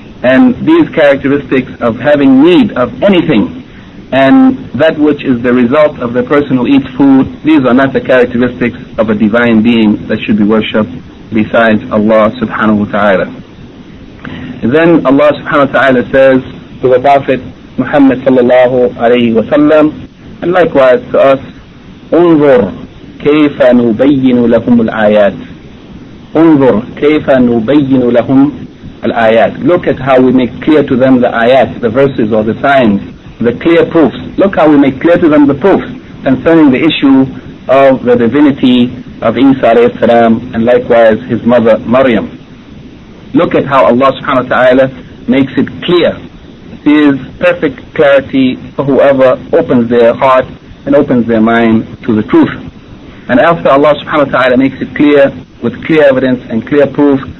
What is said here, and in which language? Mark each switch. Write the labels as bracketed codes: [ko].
[en] And these characteristics of having need of anything, and that which is the result of the person who eats food, these are not the characteristics of a divine being that should be worshipped besides Allah subhanahu wa ta'ala. Then Allah subhanahu wa ta'ala says to the Prophet Muhammad sallallahu alayhi wa sallam, and likewise to us, [ar] انظر كيف نبين لهم الآيات. انظر كيف نبين لهم الآيات. [en] Look at how we make clear to them the آيات, the verses or the signs, the clear proofs. Look how we make clear to them the proofs concerning the issue of the divinity of Isa alayhi salam, and likewise his mother Maryam. Look at how Allah subhanahu wa ta'ala makes it clear. Is perfect clarity for whoever opens their heart and opens their mind to the truth. And after Allah subhanahu wa ta'ala makes it clear with clear evidence and clear proof